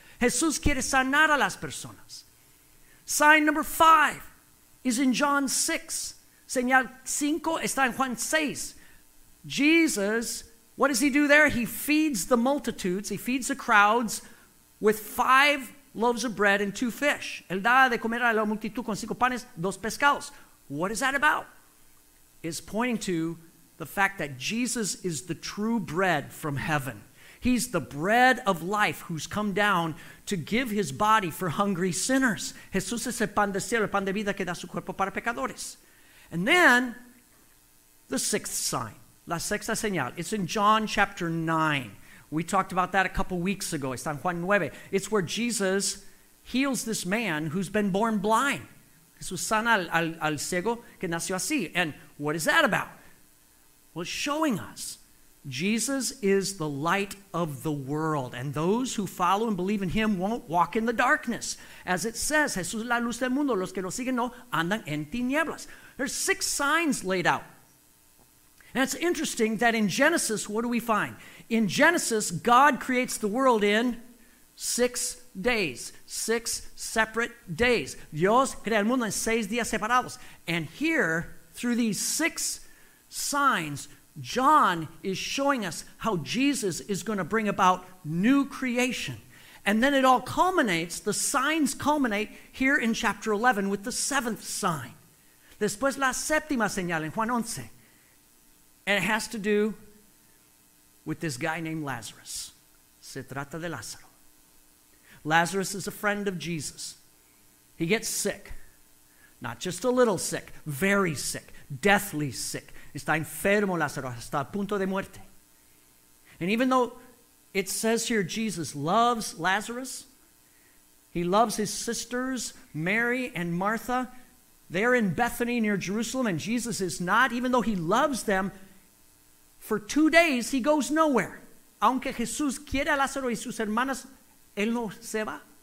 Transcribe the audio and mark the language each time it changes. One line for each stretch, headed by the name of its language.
Spanish: Jesús quiere sanar a las personas.
English: Sign number five is in John 6.
Spanish: Señal cinco está en Juan 6.
English: Jesus, what does he do there? He feeds the multitudes. He feeds the crowds with five loaves of bread and two fish.
Spanish: Él da de comer a la multitud con cinco panes, dos pescados.
English: What is that about? It's pointing to the fact that Jesus is the true bread from heaven. He's the bread of life who's come down to give his body for hungry sinners.
Spanish: Jesús es el pan de cielo, el pan de vida que da su cuerpo para pecadores.
English: And then, the sixth sign,
Spanish: la sexta señal.
English: It's in John chapter 9. We talked about that a couple weeks ago.
Spanish: Está en Juan 9.
English: It's where Jesus heals this man who's been born blind.
Spanish: Jesús sana al ciego que nació así.
English: And what is that about? Well, it's showing us Jesus is the light of the world, and those who follow and believe in him won't walk in the darkness. As it says,
Spanish: Jesús es la luz del mundo, los que lo siguen no andan en tinieblas.
English: There's six signs laid out. And it's interesting that in Genesis, what do we find? In Genesis, God creates the world in 6 days, six separate days.
Spanish: Dios crea el mundo en 6 días separados.
English: And here, through these six signs, John is showing us how Jesus is going to bring about new creation. And then it all culminates, the signs culminate here in chapter 11 with the seventh sign.
Spanish: Después la séptima señal en Juan 11.
English: And it has to do with this guy named Lazarus.
Spanish: Se trata de Lázaro.
English: Lazarus is a friend of Jesus. He gets sick. Not just a little sick, very sick, deathly sick.
Spanish: Está enfermo Lázaro, hasta el punto de muerte.
English: And even though it says here Jesus loves Lazarus, he loves his sisters, Mary and Martha. They're in Bethany near Jerusalem, and Jesus is not, even though he loves them. For 2 days, he goes nowhere.
Spanish: Aunque Jesús quiere a Lázaro y sus hermanas, él no se va.